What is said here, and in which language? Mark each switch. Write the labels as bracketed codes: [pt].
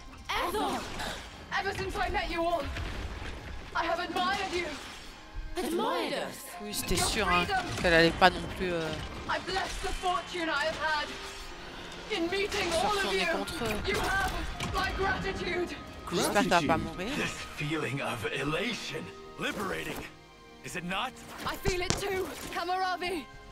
[en] Ethel, ever since I met you all, I have admired you. Admired us. [fr] Oui, c'était sûr hein, qu'elle allait pas non plus. [en] I bless the fortune I have had in meeting all of you. [fr] Contre... [en] You have my gratitude. [fr] J'espère que t'as pas mourir. [en] This feeling of elation, liberating, is it not? I feel it too, Kamaravi.